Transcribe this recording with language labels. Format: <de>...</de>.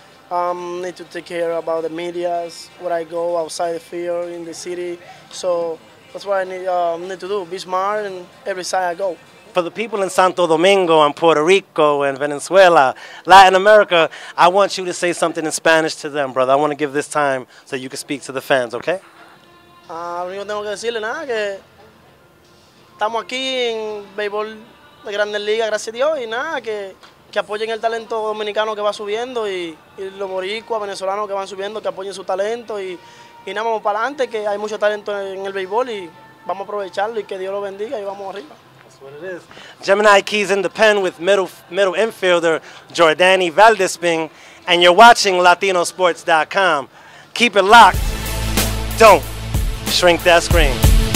<en>Need to take care about the medias, where I go outside the field in the city. So that's what I need to do, be smart and every side I go. For the people in Santo Domingo and Puerto Rico and Venezuela, Latin America, I want you to say something in Spanish to them, brother. I want to give this time so you can speak to the fans, okay?</en> <es>No tengo que decirle nada, que estamos aquí en béisbol de Grandes Ligas, gracias a Dios, y nada, que... Que apoyen el talento dominicano que va subiendo y los boricuas, venezolanos que van subiendo, que apoyen su talento y nada, vamos para adelante, que hay mucho talento en el béisbol y vamos a aprovecharlo y que Dios lo bendiga y vamos arriba.</es> <en>That's what it is. Gemini Keys in the pen with middle infielder Jordany Valdespin, and you're watching LatinoSports.com. Keep it locked. Don't shrink that screen.</en>